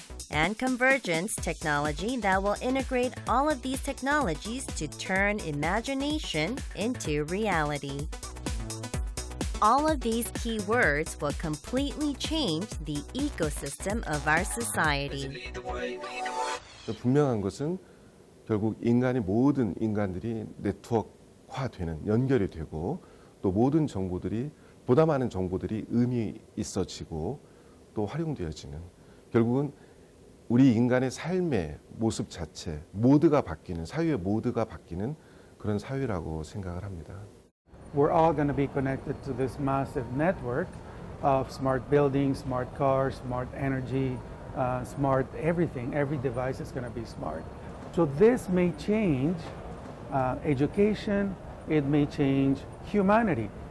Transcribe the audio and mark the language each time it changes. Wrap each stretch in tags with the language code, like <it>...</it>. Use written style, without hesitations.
<en>And convergence technology that will integrate all of these technologies to turn imagination into reality. All of these key words will completely change the ecosystem of our society.</en> <ko>분명한 것은 결국 인간이 모든 인간들이 네트워크화되는 연결이 되고 또 모든 정보들이 보다 많은 정보들이 의미 있어지고 또 활용되어지는 결국은 우리 인간의 삶의 모습 자체 모두가 바뀌는 사회의 모두가 바뀌는 그런 사회라고 생각을 합니다.</ko> <en>We're all going to be connected to this massive network of smart buildings, smart cars, smart energy, smart everything. Every device is going to be smart. So this may change education. It may change humanity.</en>